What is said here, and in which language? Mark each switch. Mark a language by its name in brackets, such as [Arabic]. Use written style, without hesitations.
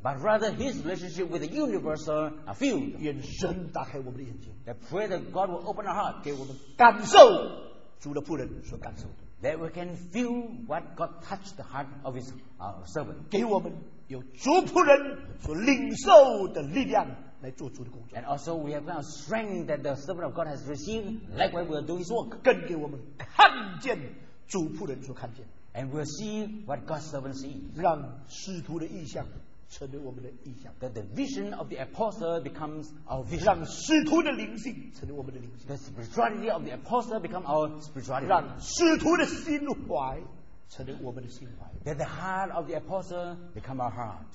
[English] but rather his relationship with the universal field. [Chinese] 愿神打开我们的眼睛, [English] that pray that God will open our heart, [Chinese] 给我们感受 [English] that we can feel what God touched the heart of his servant, [Chinese] 给我们有主仆人所领受的力量来做主的工作, [English] and also we have found strength that the servant of God has received, likewise we will do his work, [Chinese] 更给我们看见主仆人所看见, [English] and we will see what God's servant sees, [Chinese] 让使徒的意象 成为我们的意象, [English] that the vision of the apostle becomes our vision, [Chinese] 让使徒的灵性成为我们的灵性, [English] the spirituality of the apostle becomes our spirituality, [Chinese] 让使徒的心怀成为我们的心怀, [English] that the heart of the apostle becomes our heart.